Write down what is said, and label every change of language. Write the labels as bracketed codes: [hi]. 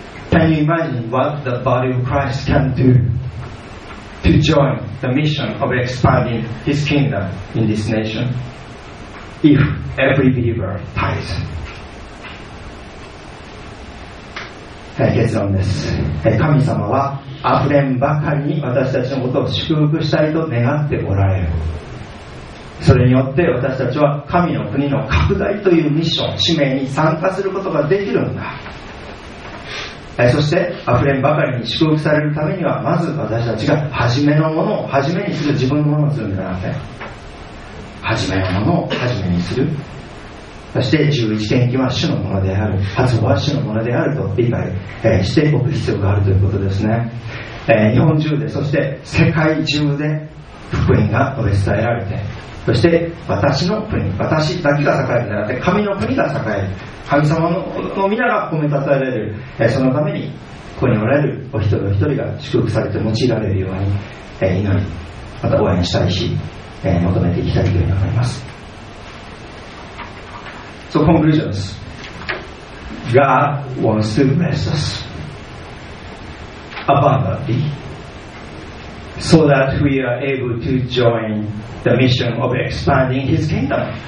[en] Can you imagine what the body of Christ can do to join the mission of expanding his kingdom in this nation if every believer tithes? [ja] はい、結論です。神様は溢れんばかりに私たちのことを祝福したいと願っておられる。それによって私たちは神の国の拡大というミッション、使命に参加することができるんだ。そして溢れんばかりに祝福されるためには、まず私たちが初めのものを初めにする、自分のものをするんではなくて、初めのものを初めにする。そして十一献金は主のものである、初歩は主のものであると理解しておく必要があるということですね。日本中で、そして世界中で福音が述べ伝えられて、そして私の国、私だけが栄えるんではなくて、神の国が栄える、神様の皆が褒めたたえられる、そのためにここにおられるお一人お一人が祝福されて用いられるように祈り、また応援したいし、求めていきたいというふうに思います。 [en] So conclusions. God wants to bless us abundantly so that we are able to join the mission of expanding his kingdom.